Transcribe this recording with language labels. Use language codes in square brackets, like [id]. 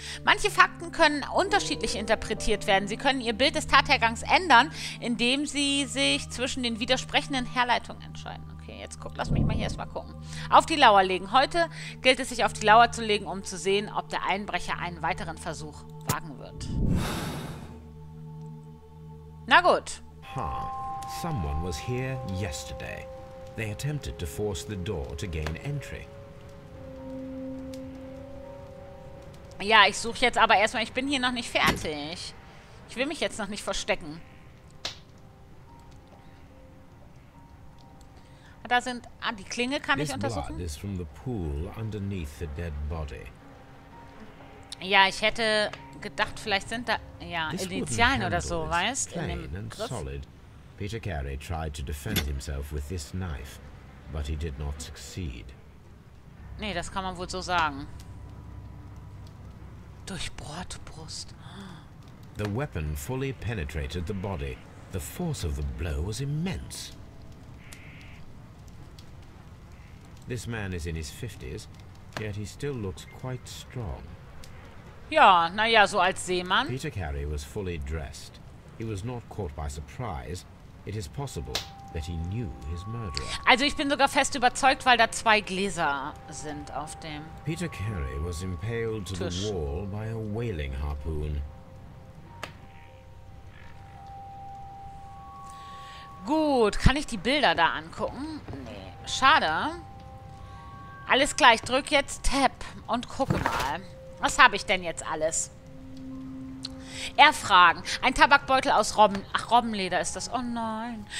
[de] Manche Fakten können unterschiedlich interpretiert werden. Sie können ihr Bild des Tathergangs ändern, indem sie sich zwischen den widersprechenden Herleitungen entscheiden. Jetzt guck, lass mich mal hier erstmal gucken. Auf die Lauer legen. Heute gilt es, sich auf die Lauer zu legen, um zu sehen, ob der Einbrecher einen weiteren Versuch wagen wird. Na gut. Ha, huh. [en] Someone was here yesterday. They attempted to force the door to gain entry. [de] Ja, ich suche jetzt aber erstmal. Ich bin hier noch nicht fertig. Ich will mich jetzt noch nicht verstecken. Da sind. Ah, die Klinge kann ich untersuchen. [en] This blood is from the pool underneath the dead body. [de] Ja, ich hätte gedacht, vielleicht sind da. Ja, Initialen oder so, weißt du? [en] Plain and solid. Peter Carey tried to defend himself with this knife, but he did not succeed. [de] Nee, das kann man wohl so sagen. Durchbohrte Brust. [en] The weapon fully penetrated the body. The force of the blow was immense. This man is in his 50s, yet he still looks quite strong. [de] Ja, na ja, so als Seemann. [en] Peter Carey was fully dressed. He was not caught by surprise, It is possible that he knew his murderer. [de] Also ich bin sogar fest überzeugt, weil da zwei Gläser sind auf dem [en] Peter Carey was impaled to [de] Tisch. [en] The wall by a whaling harpoon. [de] Gut, kann ich die Bilder da angucken? Nee, schade. Alles klar, ich drück jetzt Tab und gucke mal. Was habe ich denn jetzt alles? Erfragen. Ein Tabakbeutel aus Robben... Ach, Robbenleder ist das. Oh nein.